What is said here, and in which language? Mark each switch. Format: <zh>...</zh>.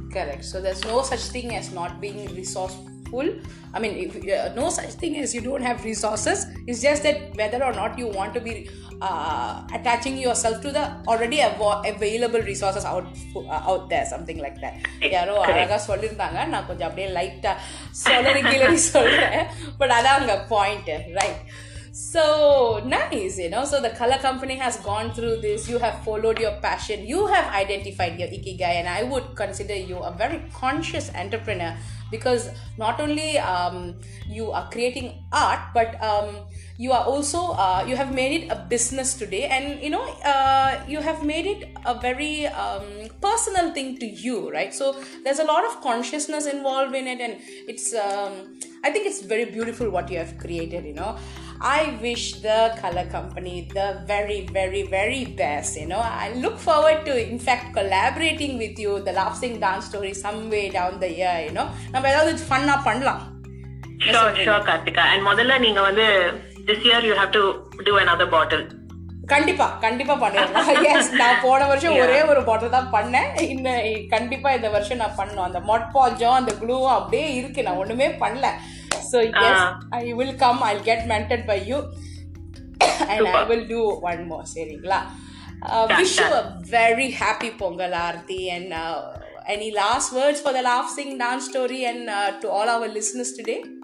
<en>Correct. So there's no such thing as not being resourceful. I mean, if, no such thing as you don't have resources. It's just that whether or not you want to be attaching yourself to the already available resources out there, something like that.</en> <ta>யாரோ அழகா சொல்லிருந்தாங்க, நான் கொஞ்சம் அப்படியே லைட்டா சொல்லிருக்கேன்னு சொல்றேன்.</ta> <en>but</en> <ta>அதான் அங்க</ta> <en>Point, right? So nice, so the color company has gone through this. You have followed your passion, you have identified your ikigai, and I would consider you a very conscious entrepreneur, because not only you are creating art, but you are also you have made it a business today, and you have made it a very personal thing to you, right? So there's a lot of consciousness involved in it, and it's I think it's very beautiful what you have created, I wish the color company the very, very, very best. I look forward to, in fact, collaborating with you, the Laugh Sing Dance Story, some way down the year,</en> <ta>நம்ம ஏதாவது ஃபன்னா பண்ணலாம்.</ta> <en>Sure Karthika. And</en> <ta>முதல்ல நீங்க வந்து</ta> <en>This year you have to do another bottle.</en> <ta>கண்டிப்பா பண்ணுவேன். S நான் போன வருஷம் ஒரே ஒரு பாட்டில் தான் பண்ணேன். இன்ன கண்டிப்பா இந்த வருஷம் நான் பண்ணுவேன். அந்த மொட்பாஜம் அந்த குளூவும் அப்படியே இருக்கு, நான் ஒண்ணுமே பண்ணல.</ta> <en>So yes, I will come, I'll get mentored by you, and super. I will do one more sharing. Wish you a very happy Pongal, Aarthi, and any last words for the Laugh Sing Dance Story and to all our listeners today?</en>